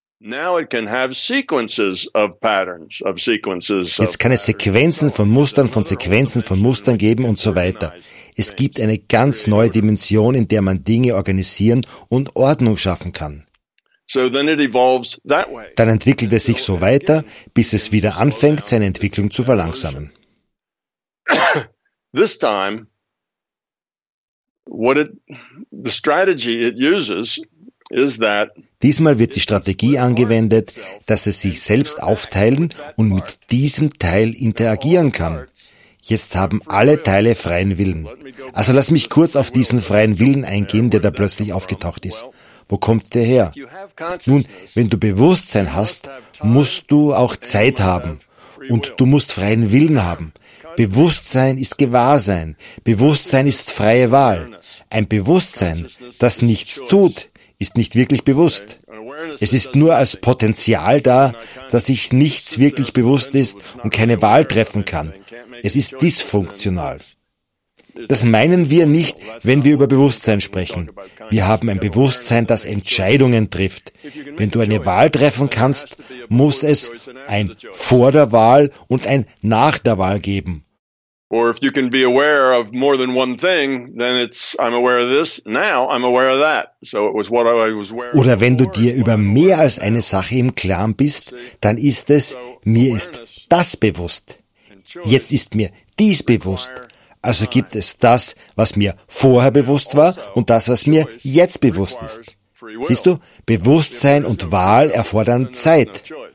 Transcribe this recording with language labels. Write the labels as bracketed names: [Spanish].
[German] Jetzt kann es Sequenzen von Mustern geben und so weiter. Es gibt eine ganz neue Dimension, in der man Dinge organisieren und Ordnung schaffen kann. Dann entwickelt es sich so weiter, bis es wieder anfängt, seine Entwicklung zu verlangsamen. [English] This time, the strategy it uses is that. [German] Diesmal wird die Strategie angewendet, dass es sich selbst aufteilen und mit diesem Teil interagieren kann. Jetzt haben alle Teile freien Willen. Also lass mich kurz auf diesen freien Willen eingehen, der da plötzlich aufgetaucht ist. Wo kommt der her? Nun, wenn du Bewusstsein hast, musst du auch Zeit haben. Und du musst freien Willen haben. Bewusstsein ist Gewahrsein. Bewusstsein ist freie Wahl. Ein Bewusstsein, das nichts tut, ist nicht wirklich bewusst. Es ist nur als Potenzial da, dass sich nichts wirklich bewusst ist und keine Wahl treffen kann. Es ist dysfunktional. Das meinen wir nicht, wenn wir über Bewusstsein sprechen. Wir haben ein Bewusstsein, das Entscheidungen trifft. Wenn du eine Wahl treffen kannst, muss es ein vor der Wahl und ein nach der Wahl geben. [English] Or if you can be aware of more than one thing, then it's I'm aware of this, now I'm aware of that. So it was what I was aware of. [German] Oder wenn du dir über mehr als eine Sache im Klaren bist, dann ist es, mir ist das bewusst. Jetzt ist mir dies bewusst. Also gibt es das, was mir vorher bewusst war und das, was mir jetzt bewusst ist. Siehst du, Bewusstsein und Wahl erfordern Zeit.